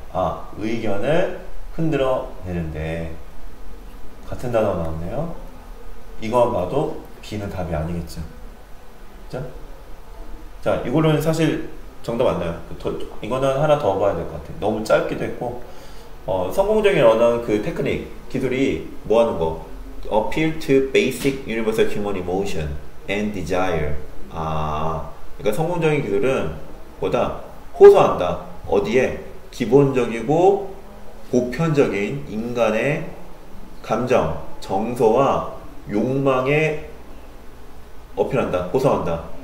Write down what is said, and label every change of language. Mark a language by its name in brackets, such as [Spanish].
[Korean] 아, 의견을 흔들어 내는데 같은 단어 나왔네요. 이거만 봐도 B는 답이 아니겠죠. 그죠? 자, 이걸로는 사실 정답 맞나요? 이거는 하나 더 봐야 될것 같아요. 너무 짧기도 했고, 성공적인 언어는 그 테크닉, 기술이 뭐 하는 거? [English] Appeal to basic universal human emotion and desire. [Korean] 아, 그러니까 성공적인 기술은 보다 호소한다. 어디에? 기본적이고 보편적인 인간의 감정, 정서와 욕망에 어필한다. 호소한다.